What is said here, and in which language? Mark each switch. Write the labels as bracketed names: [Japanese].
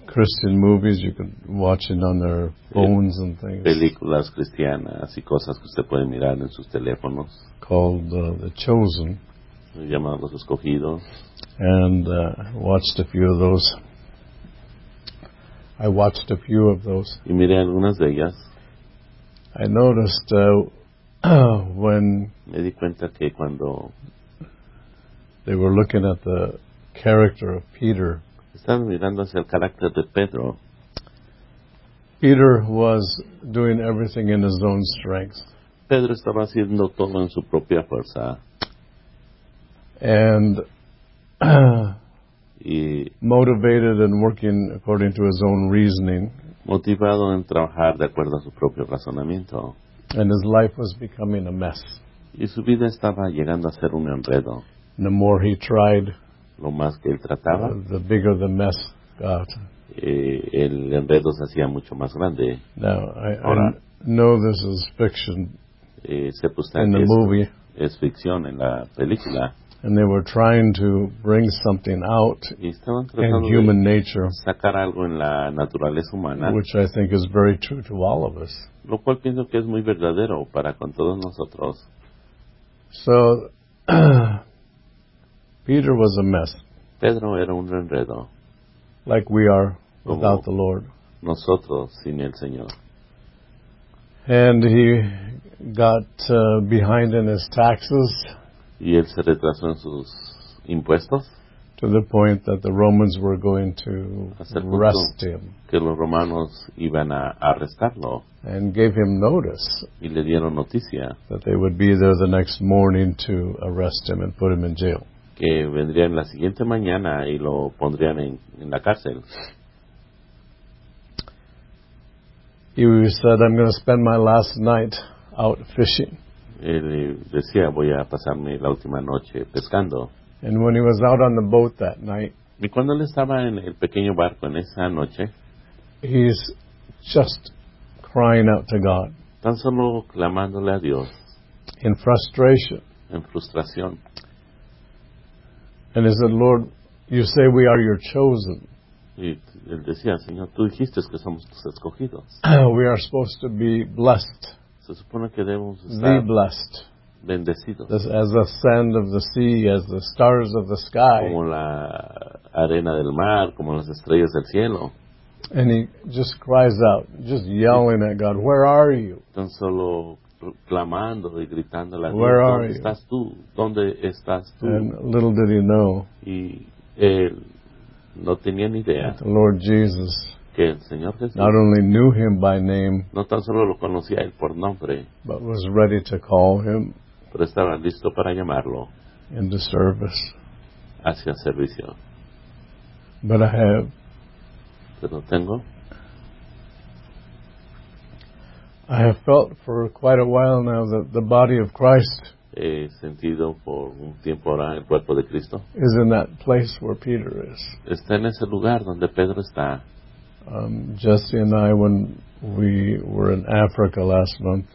[English] Christian movies you could watch it on their phones and things. [Spanish] Películas cristianas y cosas que usted puede mirar en sus teléfonos. [English] Called The Chosen. [Spanish] Llamados Los Escogidos. [English] And watched a few of those. I watched a few of those. [Spanish] Y miré algunas de ellas. [English] I noticed when [Spanish] me di cuenta que cuando [English] they were looking at the character of Peter. [Spanish] Estaban mirando hacia el carácter de Pedro. [English] Peter was doing everything in his own strength. [Spanish] Pedro estaba haciendo todo en su propia fuerza. [English] And motivated and working according to his own reasoning. [Spanish] Motivado en trabajar de acuerdo a su propio razonamiento. [English] And his life was becoming a mess. [Spanish] Y su vida estaba llegando a ser un enredo. [English] The more he tried, [Spanish] lo más que él trataba, [English] the bigger the mess got. [Spanish] El enredo se hacía mucho más grande. [English] Now, I know this is fiction in the movie. [Spanish] Es ficción en la película. [English] And they were trying to bring something out in human nature, [Spanish] sacar algo en la naturaleza humana, [English] which I think is very true to all of us. [Spanish] Lo cual pienso que es muy verdadero para con todos nosotros. [English] So, Peter was a mess. [Spanish] Pedro era un enredo. [English] Like we are without the Lord. [Spanish] Nosotros sin el Señor. [English] And he got behind in his taxes. [Spanish] Y él se retrasó en sus impuestos. [English] To the point that the Romans were going to arrest him. [Spanish] Que los romanos iban a arrestarlo. [English] And gave him notice. [Spanish] Y le dieron noticia. [English] That they would be there the next morning to arrest him and put him in jail. [Spanish] Que vendrían la siguiente mañana y lo pondrían en la cárcel. [English] He said, I'm going to spend my last night out fishing. [Spanish] Él decía, voy a pasarme la última noche pescando. [English] And when he was out on the boat that night, [Spanish] y cuando él estaba en el pequeño barco en esa noche, [English] he's just crying out to God. [Spanish] Tan solo clamándole a Dios. [English] In frustration. [Spanish] En frustración. [English] And he said, Lord, you say we are your chosen. [Spanish] Y él decía, Señor, tú dijiste que somos tus escogidos. [English] We are supposed to be blessed. [Spanish] Se supone que debemos estar [English] blessed, [Spanish] bendecidos. [English] This, as the sand of the sea, as the stars of the sky. [Spanish] Como la arena del mar, como las estrellas del cielo. [English] And he just cries out, just yelling at God, where are you? [Spanish] Tan solo clamando y gritando a la [English] where [Spanish] Dios, [English] are [Spanish] Estás tú? ¿Dónde estás tú? [English] And little did he know. [Spanish] Y él no tenía ni idea. [English] The Lord Jesus [Spanish] que el Señor Jesús [English] not only knew him by name, [Spanish] no tan solo lo conocía él por nombre, [English] but was ready to call him, [Spanish] pero estaba listo para llamarlo [English] into service, [Spanish] hacia servicio. [English] But I have, [Spanish] pero tengo, [English] I have felt for quite a while now that the body of Christ [Spanish] he sentido por un tiempo ahora el cuerpo de Cristo [English] is in that place where Peter is. [Spanish] Está en ese lugar donde Pedro está. [English] Jesse and I, when we were in Africa last month,